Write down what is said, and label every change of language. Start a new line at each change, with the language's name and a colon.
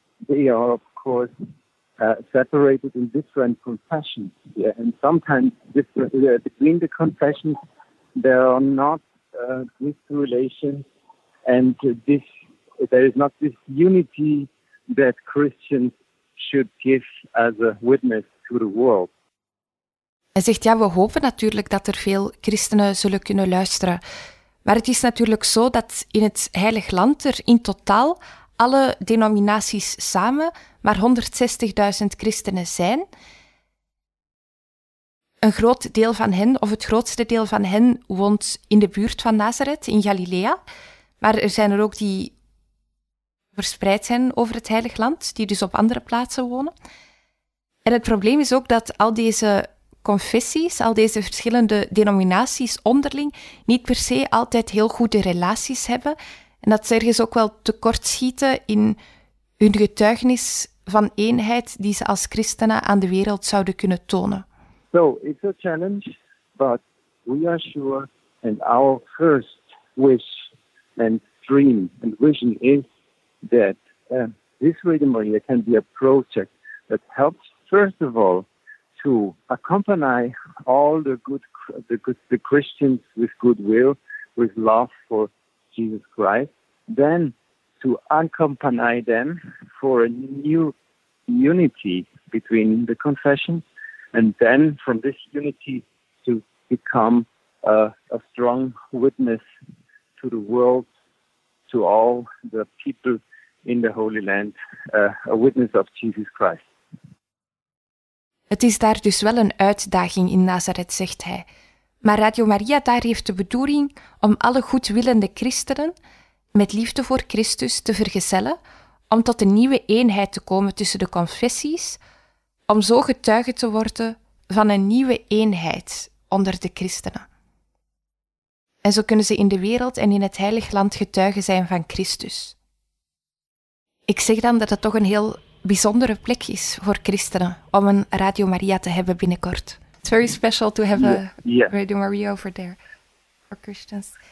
English: They are, of course, separated in different confessions. Yeah. And sometimes between the confessions, there are not this relation and there is not this unity that Christians should give as a witness to the world.
Dutch: Hij zegt, ja, we hopen natuurlijk dat er veel christenen zullen kunnen luisteren. Maar het is natuurlijk zo dat in het Heilig Land er in totaal alle denominaties samen maar 160.000 christenen zijn. Een groot deel van hen, of het grootste deel van hen, woont in de buurt van Nazareth, in Galilea. Maar er zijn er ook die verspreid zijn over het Heilig Land, die dus op andere plaatsen wonen. En het probleem is ook dat al deze confessies, al deze verschillende denominaties onderling, niet per se altijd heel goede relaties hebben. En dat ze ergens ook wel tekortschieten in hun getuigenis van eenheid die ze als christenen aan de wereld zouden kunnen tonen.
English: So, it's a challenge, but we are sure and our first wish and dream and vision is that this Radio Maria can be a project that helps first of all to accompany all the Christians with goodwill, with love for Jesus Christ, then to accompany them for a new unity between the confessions, and then from this unity to become a strong witness to the world, to all the people in the Holy Land, a witness of Jesus Christ.
Dutch: Het is daar dus wel een uitdaging in Nazareth, zegt hij. Maar Radio Maria daar heeft de bedoeling om alle goedwillende christenen met liefde voor Christus te vergezellen, om tot een nieuwe eenheid te komen tussen de confessies, om zo getuige te worden van een nieuwe eenheid onder de christenen. En zo kunnen ze in de wereld en in het Heilig Land getuigen zijn van Christus. Ik zeg dan dat het toch een heel bijzondere plek is voor christenen om een Radio Maria te hebben binnenkort.
English: It's very special to have Radio Maria over there for Christians.